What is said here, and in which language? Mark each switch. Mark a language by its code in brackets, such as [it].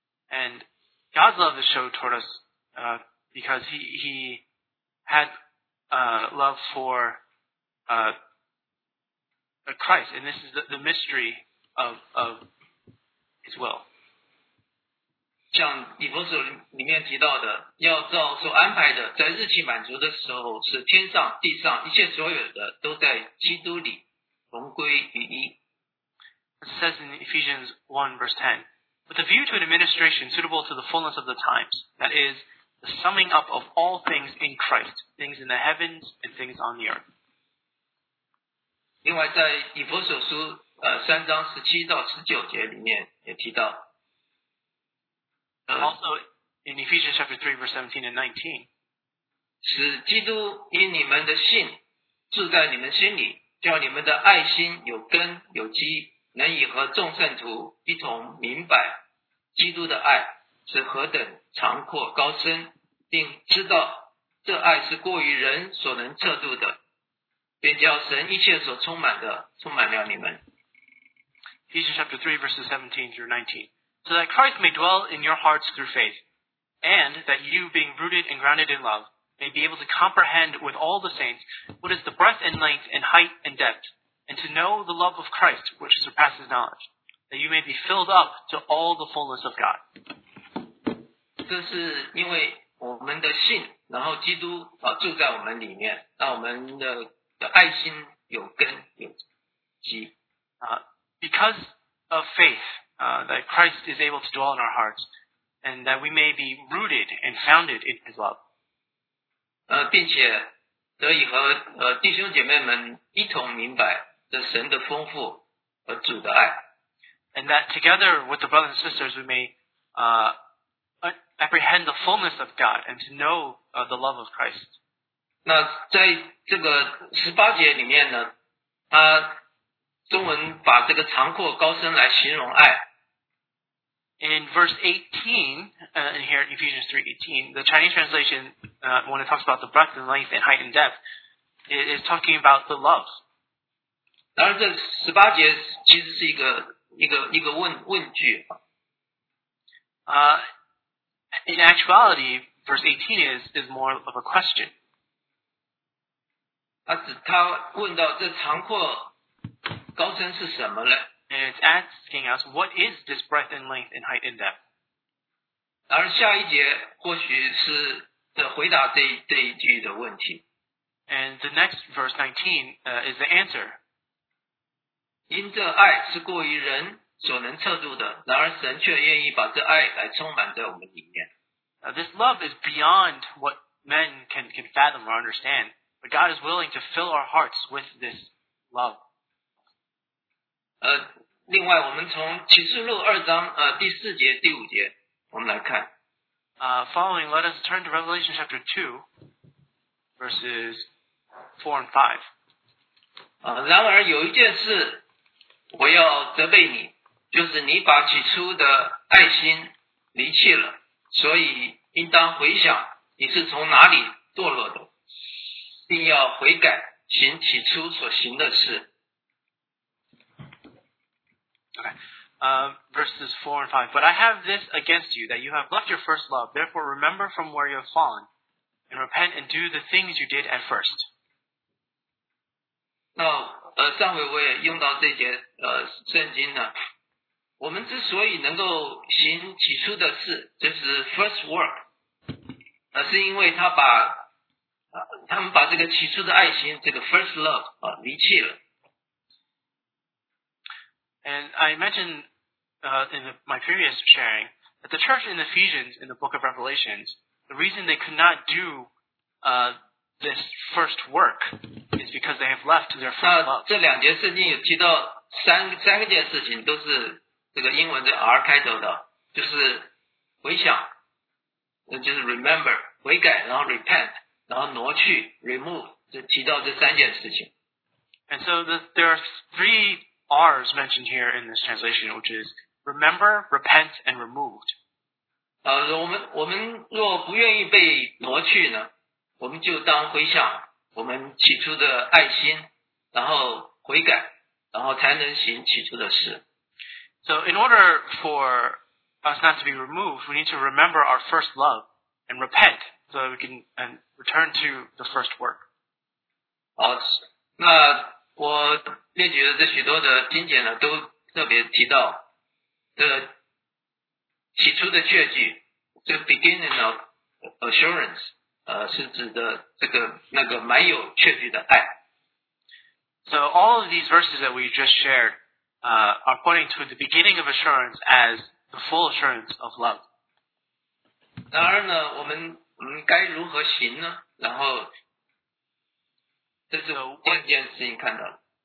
[en] And God's love is shown toward us because He had love for Christ, and this is the mystery of His will. [zh] 像以弗所里面提到的，要照所安排的，在日期满足的时候，是天上地上一切所有的都在基督里同归于一。 [en] It says in Ephesians 1 verse 10, with a view to an administration suitable to the fullness of the times, that is, the summing up of all things in Christ, things in the heavens and things on the earth. [zh] 另外在以弗所书三章十七到十九节里面也提到。 [en] Also in Ephesians chapter 3 verse 17 and 19, [zh] 使基督因你们的信住在你们心里，叫你们的爱心有根有基，能以和众圣徒一同明白基督的爱是何等长阔高深，并知道这爱是过于人所能测度的，便叫神一切所充满的充满了你们。 [en] Ephesians chapter 3 verses 17 through 19, so that Christ may dwell in your hearts through faith, and that you, being rooted and grounded in love, may be able to comprehend with all the saints what is the breadth and length and height and depth, and to know the love of Christ which surpasses knowledge, that you may be filled up to all the fullness of God. [zh] 这是因为我们的信，然后基督住在我们里面，让我们的爱心有根有基。 [en] Because of faith, that Christ is able to dwell in our hearts, and that we may be rooted and founded in His love. [zh] 并且得以和弟兄姐妹们一同明白这神的丰富和主的爱。 [en] And that together with the brothers and sisters, we may apprehend the fullness of God and to know the love of Christ. [zh] 那在这个十八节里面呢，他中文把这个长阔高深来形容爱。 [en] In verse 18, in here in Ephesians 3:18, the Chinese translation, when it talks about the breadth and length and height and depth, is talking about the love. [zh] 当然这十八节其实是一个问句。 [en] In actuality, verse 18 is more of a question. [zh] 他问到这长阔高深是什么呢？ [en] And it's asking us, what is this breadth and length and height and depth? [zh] 而下一节或许是回答这一句的问题。 [en] And the next verse 19 is the answer. [zh] 因这爱是过于人所能测度的，然而神却愿意把这爱来充满在我们里面。 [en] Now, this love is beyond what men can fathom or understand, but God is willing to fill our hearts with this love. [zh] 另外我们从启示录二章第四节第五节我们来看。 [en] Following, let us turn to Revelation chapter 2, verses 4 and 5. [zh] 然而有一件事我要责备你，就是你把起初的爱心离弃了，所以应当回想你是从哪里堕落的，并要悔改行起初所行的事。 [en] Verses 4 and 5. But I have this against you, that you have left your first love. Therefore, remember from where you have fallen, and repent and do the things you did at first. [zh] 上回我也用到这节圣经呢。我们之所以能够行起初的事，就是 [en] first work， [zh] 是因为他们把这个起初的爱心，这个 [en] first love [zh] 离弃了。 [en] And I mentioned in my previous sharing that the church in Ephesians, in the book of Revelations, the reason they could not do this first work is because they have left their first love. [zh] 这两节圣经有提到三个件事情，都是这个英文的 R 开头的，就是回想，就是 [en] remember [zh] 悔改，然后 [en] repent， [zh] 然后挪去 [en] remove， [zh] 就提到这三件事情。 [en] And so there are three R's mentioned here in this translation, which is remember, repent, and removed. [zh] 我们若不愿意被挪去呢，我们就当回想我们起初的爱心，然后悔改，然后才能行起初的事。 [en] So in order for us not to be removed, we need to remember our first love and repent so that we can and return to the first work. [zh] 那我列举的这许多的经典呢，都特别提到，这起初的确据，这个 [en] beginning of assurance， [zh] 是指的这个那个没有确据的爱。 [en] So all of these verses that we just shared, are pointing to the beginning of assurance as the full assurance of love. [zh] 当然呢，我们该如何行呢？然后，这是第二件事情看到了。